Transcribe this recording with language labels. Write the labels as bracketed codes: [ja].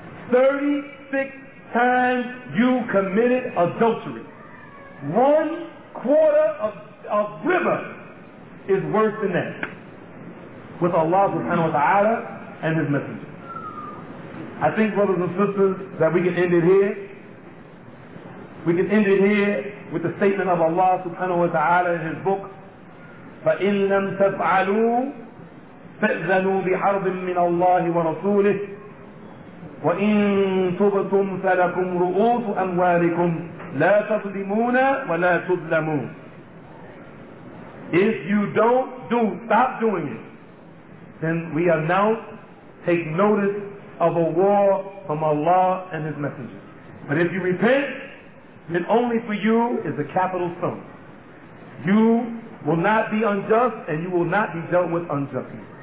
[en] 36 times you committed adultery. One quarter of riba is worse than that with Allah subhanahu wa ta'ala and His Messenger. I think, brothers and sisters, that we can end it here. We can end it here with the statement of Allah subhanahu wa ta'ala in His book, [ar] فَإِن لَمْ تَفْعَلُوا فَأْذَنُوا بِحَرْبٍ مِّنَ اللَّهِ وَرَسُولِهِ وَإِن تُبْتُمْ فَلَكُمْ رُؤُوسُ أَمْوَالِكُمْ لَا تَظْلِمُونَ وَلَا تُظْلَمُونَ. [en] If you don't do, stop doing it, then we announce, take notice of a war from Allah and His Messenger. But if you repent, then only for you is the capital stone. You will not be unjust and you will not be dealt with unjustly.